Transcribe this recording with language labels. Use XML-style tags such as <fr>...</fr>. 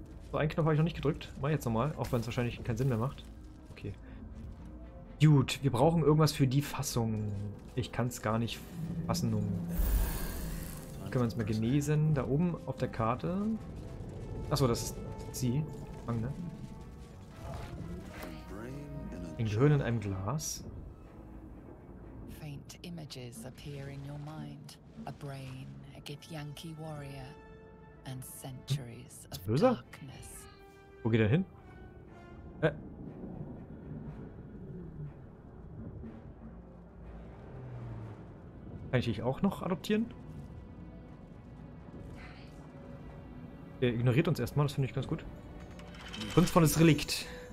<de>So, einen Knopf habe ich noch nicht gedrückt. Mach ich jetzt nochmal, auch wenn es wahrscheinlich keinen Sinn mehr macht. Gut, wir brauchen irgendwas für die Fassung. Ich kann es gar nicht fassen. Können wir uns mal genesen? Da oben auf der Karte. Achso, das ist sie. Fang, ne? Ein Gehirn in einem Glas.</de> <en>Faint images appear in your mind. A brain, a Githyanki warrior, and centuries of darkness.</en> <de>Wo geht er hin? Kann ich dich auch noch adoptieren? Er ignoriert uns erstmal, das finde ich ganz gut. Kunstvolles Relikt.</de>